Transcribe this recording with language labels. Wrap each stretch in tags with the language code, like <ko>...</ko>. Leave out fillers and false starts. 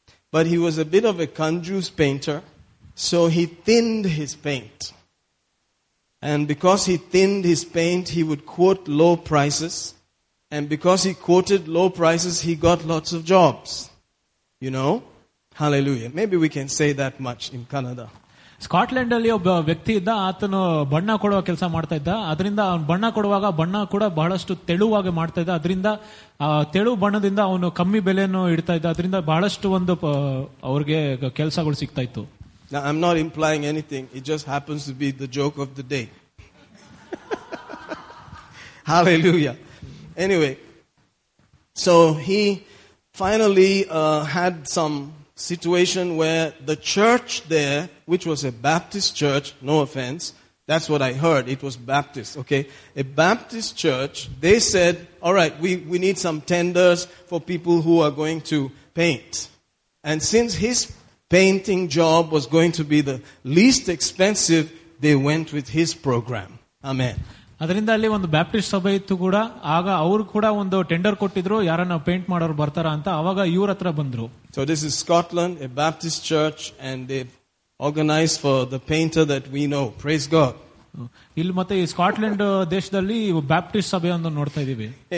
<en>But he was a bit of a conjuice painter, so he thinned his paint. And because he thinned his paint, he would quote low prices. And because he quoted low prices, he got lots of jobs. You know? Hallelujah. Maybe we can say that much in Kannada.</en> <kn>Scotland ಅಲ್ಲಿ ಒಬ್ಬ ವ್ಯಕ್ತಿ ಇದ್ದ, ಆತನು ಬಣ್ಣ ಕೊಡುವ ಕೆಲಸ ಮಾಡ್ತಾ ಇದ್ದ. ಅದರಿಂದ ಅವನು ಬಣ್ಣ ಕೊಡುವಾಗ ಬಣ್ಣ ಕೂಡ ಬಹಳಷ್ಟು ತೆಳುವಾಗಿ ಮಾಡ್ತಾ ಇದ್ದ. ಅದರಿಂದ ತೆಳು ಬಣ್ಣದಿಂದ ಅವನು ಕಮ್ಮಿ ಬೆಲೆಯನ್ನು ಇಡ್ತಾ ಇದ್ದ. ಅದರಿಂದ ಬಹಳಷ್ಟು ಒಂದು ಅವರಿಗೆ ಕೆಲಸಗಳು ಸಿಗ್ತಾ ಇತ್ತು.</kn> <en>Now, I'm not implying anything. It just happens to be the joke of the day. Hallelujah. Anyway, so he finally had some situation where the church there, which was a Baptist church, no offense, that's what I heard, it was Baptist, okay? A Baptist church, they said, all right, we need some tenders for people who are going to paint. And since his painting job was going to be the least expensive, they went with his program. Amen.</en> <kn>ಅದರಿಂದ ಅಲ್ಲಿ ಒಂದು Baptist ಸಭೆ ಇತ್ತು ಕೂಡ. ಆಗ ಅವರು ಕೂಡ ಒಂದು ಟೆಂಡರ್ ಕೊಟ್ಟಿದ್ರು, ಯಾರನ್ನ ಪೇಂಟ್ ಮಾಡೋರು ಬರ್ತಾರ ಅಂತ. ಅವಾಗ ಇವ್ರ ಹತ್ರ ಬಂದ್ರು.</kn> <en>So this is Scotland, a Baptist church, and they organise for the painter that we know. Praise God.</en> <kn>ಇಲ್ಲಿ ಮತ್ತೆ ಈ ಸ್ಕಾಟ್ಲೆಂಡ್ ದೇಶದಲ್ಲಿ ಬ್ಯಾಪ್ಟಿಸ್ಟ್ ಸಭೆ ಅಂತ ನೋಡ್ತಾ ಇದೀವಿ.</kn>